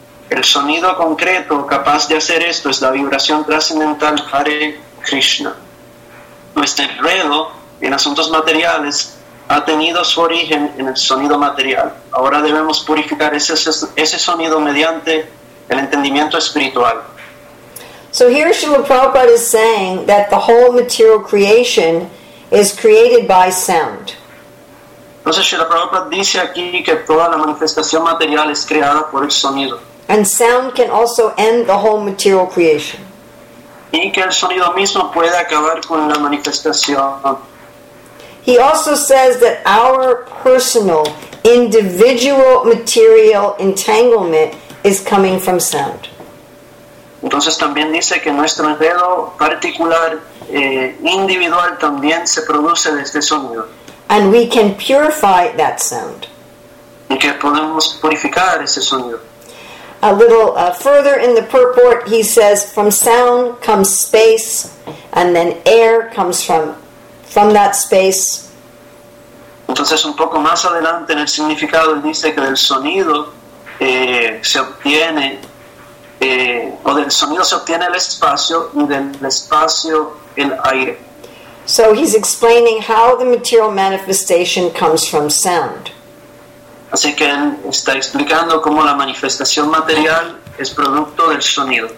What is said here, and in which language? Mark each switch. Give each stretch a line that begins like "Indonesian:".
Spanish: El sonido concreto capaz de hacer esto es la vibración trascendental Hare Krishna. Nuestro enredo en asuntos materiales ha tenido su origen en el sonido material. Ahora debemos purificar ese sonido mediante el entendimiento espiritual.
English: So here Srila Prabhupada is saying that the whole material creation is created by sound.
Spanish: Entonces Srila Prabhupada dice aquí que toda la manifestación material es creada por el sonido.
English: And sound can also end the whole material creation.
Spanish: Y que el sonido mismo puede acabar con la manifestación.
English: He also says that our personal, individual material entanglement is coming from sound.
Spanish: Entonces también dice que nuestro enredo particular, individual, también se produce desde sonido.
English: And we can purify that sound.
Spanish: Y que podemos purificar ese sonido.
English: A little further in the purport, he says, from sound comes space, and then air comes from that space.
Spanish: Entonces, un poco más adelante en el significado, él dice que del sonido se obtiene, o del sonido se obtiene el espacio, y del espacio el aire.
English: So he's explaining how the material manifestation comes from sound.
Spanish: Así que él está explicando cómo la manifestación material es producto del sonido.